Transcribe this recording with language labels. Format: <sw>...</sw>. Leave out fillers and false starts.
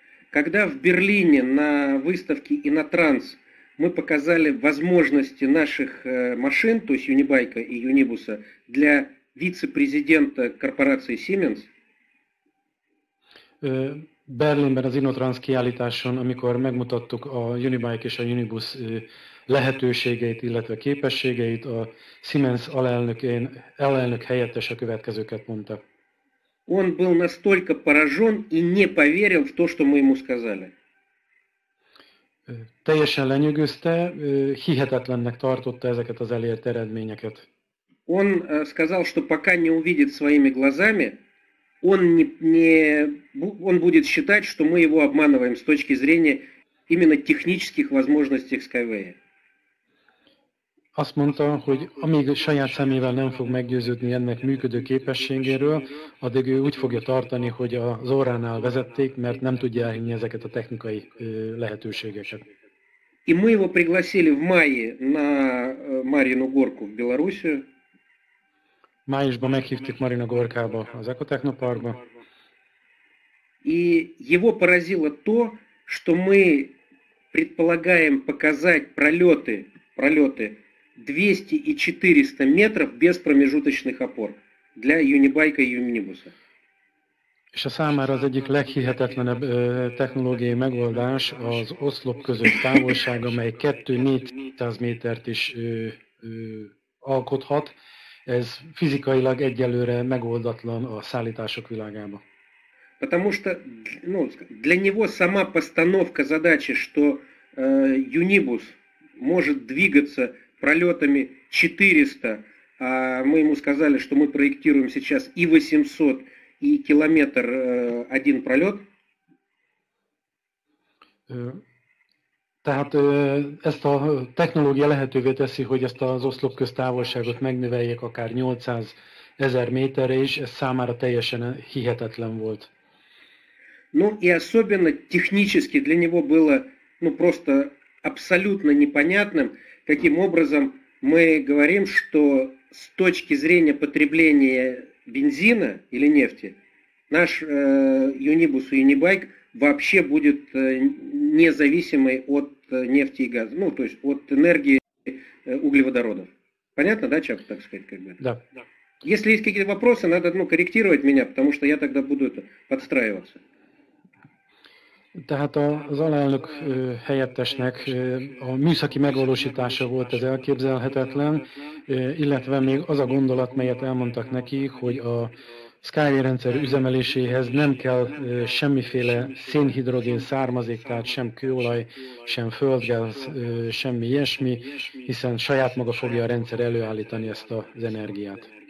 <ru>Когда в Берлине на выставке Inatrans мы показали возможности наших машин, то есть Unibike и Unibus, для вице-президента корпорации Siemens.</ru> <hu>Берлинben az Inatrans kiállításon, amikor megmutattuk a Unibike és a Unibus lehetőségeit, illetve képességeit, a Siemens alelnök helyettes a következőket mondta.</hu> <ru>Он был настолько поражен и не поверил в то, что мы ему сказали.</ru> <hu>Teljesen lenyűgözte, hihetetlennek tartotta ezeket az elért eredményeket.</hu> <ru>Он сказал, что пока не увидит своими глазами, он будет считать, что мы его обманываем с точки зрения именно технических возможностей Skyway.</ru> <hu>Azt mondta, hogy amíg saját szemével nem fog meggyőződni ennek működő képességéről, addig ő úgy fogja tartani, hogy az óránál vezették, mert nem tudja elhinni ezeket a technikai lehetőségeket.</hu> <ru>И мы его пригласили в мае на Марину Горку в Белоруссию.</ru> <hu>Májusban meghívtuk Marina Gorkába az Ecotechnoparkba.</hu> <ru>И его поразило то, что мы предполагаем показать пролеты 200 и 400 метров без промежуточных опор для Unibike и Unibus.</ru> <hu>És a számára az egyik leghihetetlenebb technológiai megoldás az oszlop között távolság, amely 2-400 métert is alkothat. Ez fizikailag egyelőre megoldatlan a szállítások világában.</hu> <ru>Потому что, ну, для него сама постановка задачи, что Unibus может двигаться пролетами 400, Мы ему сказали, что мы проектируем сейчас и 800, и километр один пролет. Tehát ezt a technológia lehetővé teszi, hogy ezt az oszlop köztávolságot megnöveljék akár 800 ezer méterre, és ez számára teljesen hihetetlen volt. Ну и особенно технически для него было ну просто абсолютно непонятным, каким образом мы говорим, что с точки зрения потребления бензина или нефти наш Юнибус и Юнибайк вообще будет независимой от нефти и газа, ну то есть от энергии углеводородов. Понятно, да, Чап, так сказать, как бы? Да. Если есть какие-то вопросы, надо ну, корректировать меня, потому что я тогда буду это, подстраиваться.</ru> <hu>Tehát az alelnök helyettesnek a műszaki megvalósítása volt ez elképzelhetetlen, illetve még az a gondolat, melyet elmondtak neki, hogy a Skyway rendszer üzemeléséhez nem kell semmiféle szénhidrogén származék, tehát sem kőolaj, sem földgáz, semmi ilyesmi, hiszen saját maga fogja a rendszer előállítani ezt az energiát.</hu>